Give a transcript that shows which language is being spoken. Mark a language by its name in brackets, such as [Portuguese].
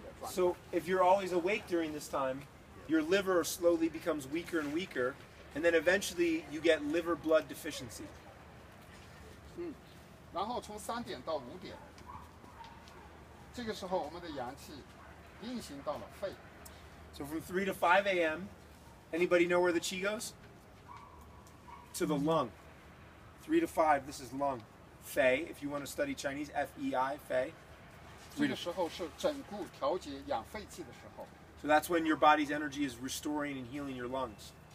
[English] So if you're always awake during this time, your liver slowly becomes weaker and weaker, and then eventually you get liver blood deficiency. [Chinese] 然后从3点到5点，这个时候我们的阳气运行到了肺。 [English] So from 3 to 5 a.m., anybody know where the qi goes? To the lung. 3 to 5, this is lung. Fei, if you want to study Chinese, F-E-I, Fei. [Chinese] 这个时候是整固调节养肺气的时候。 [English] So that's when your body's energy is restoring and healing your lungs.